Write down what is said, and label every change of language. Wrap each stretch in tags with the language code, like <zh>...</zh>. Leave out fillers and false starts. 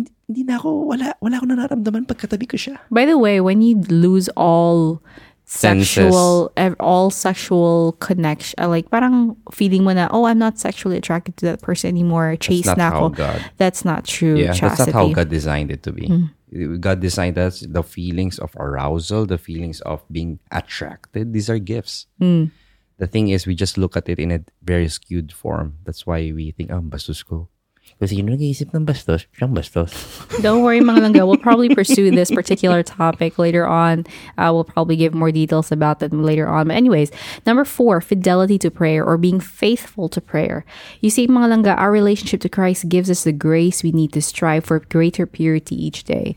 <tl>Hindi na ako, wala akong nararamdaman pagkatabi ko siya.</tl> <en>By the way, when you lose all sexual, senses, all sexual connection, like</en> <tl>parang feeling mo na,</tl> <en>oh, I'm not sexually attracted to that person anymore. Chase</en> <tl>na ako.</tl> <en>That's not true. Yeah, chastity. That's not how God designed it to be. Mm. God designed us, the feelings of arousal, the feelings of being attracted. These are gifts. Mm. The thing is, we just look at it in a very skewed form. That's why we think, oh,</en> <tl>bastos ko. Kasi yun lang isip ng bastos, siyang bastos.</tl> <en>Don't worry,</en> <tl>mga langga.</tl> <en>We'll probably pursue this particular topic later on. We'll probably give more details about that later on. But anyways, number 4, fidelity to prayer or being faithful to prayer. You see,</en> <tl>mga langga,</tl> <en>our relationship to Christ gives us the grace we need to strive for greater purity each day.</en>